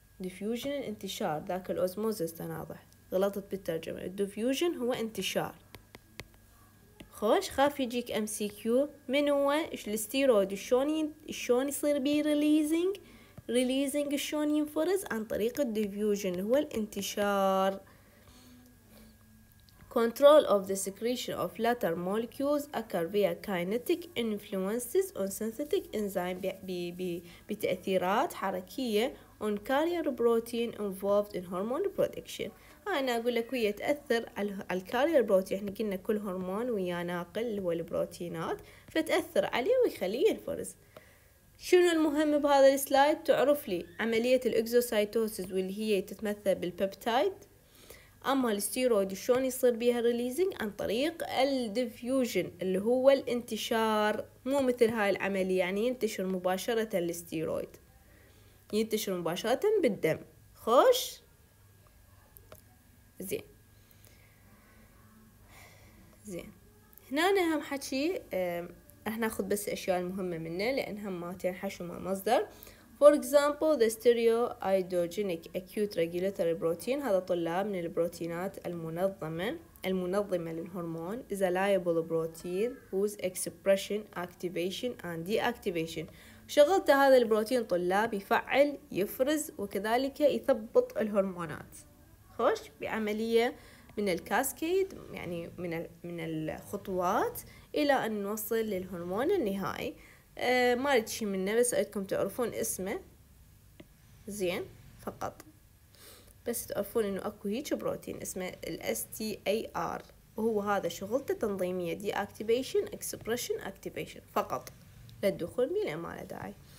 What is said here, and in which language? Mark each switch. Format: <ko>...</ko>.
<ar>ديفيوجن الانتشار، ذاك الأوزموزيس تناضح، غلطت بالترجمة. الديفيوجن هو انتشار. خوش؟ خاف يجيك ام سي كيو من هو الستيرويد شلون يصير بي ريليزنج شلون ينفرز؟ عن طريق الديفيوجن هو الانتشار.</ar> <en>Control of the secretion of later molecules occur via kinetic influences on synthetic enzyme</en> <ar>بتأثيرات حركية</ar> <en>on carrier protein involved in hormone production.</en> <ar>أنا أقول لك هي تأثر على</ar> <en>carrier protein،</en> <ar>إحنا قلنا كل هرمون ويا ناقل هو البروتينات، فتأثر عليه ويخليه ينفرز. شنو المهم بهذا السلايد؟ تعرف لي عملية الإكسوسايتوسيس واللي هي تتمثل بالبيبتايد، اما الستيرويد شلون يصير بيها ريليزنج؟ عن طريق الديفيوجن اللي هو الانتشار، مو مثل هاي العملية يعني ينتشر مباشرة، الستيرويد ينتشر مباشرة بالدم. خوش زين زين، هنا اهم حكي راح ناخذ بس الاشياء المهمه منه لانها ما تنحش وما مصدر.</ar> <en>For example the stereoidogenic acute regulatory protein،</en> <ar>هذا طلاب من البروتينات المنظمه للهرمون،</ar> <en>is a liable protein whose expression activation and deactivation.</en> <ar>شغلته هذا البروتين طلاب يفعل يفرز وكذلك يثبط الهرمونات. خوش بعمليه من الكاسكيد يعني من الخطوات الى ان نوصل للهرمون النهائي. ما اريد شيء منه بس اريدكم تعرفون اسمه زين فقط، بس تعرفون انه اكو هيك بروتين اسمه ال STAR وهو هذا شغلته تنظيميه، دي اكتيفيشن اكسبريشن اكتيفيشن فقط، لا دخول بلا ما له داعي.</ar>